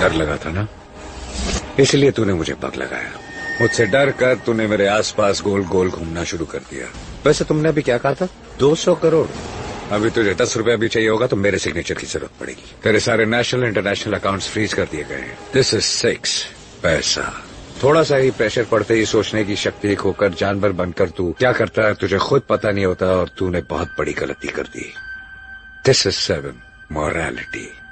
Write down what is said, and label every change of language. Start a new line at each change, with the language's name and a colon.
Hindi: डर लगा था ना, इसलिए तूने मुझे पग लगाया। मुझसे डर कर तूने मेरे आसपास गोल गोल घूमना शुरू कर दिया। वैसे तुमने अभी क्या कहा था, 200 करोड़? अभी तुझे 10 रुपया भी चाहिए होगा तो मेरे सिग्नेचर की जरूरत पड़ेगी। तेरे सारे नेशनल इंटरनेशनल अकाउंट्स फ्रीज कर दिए गए हैं।
English: This is 6 पैसा।
Hindi: थोड़ा सा ही प्रेशर पड़ते ही सोचने की शक्ति खोकर जानवर बनकर तू क्या करता है तुझे खुद पता नहीं होता, और तूने बहुत बड़ी गलती कर दी।
English: This is 7 morality.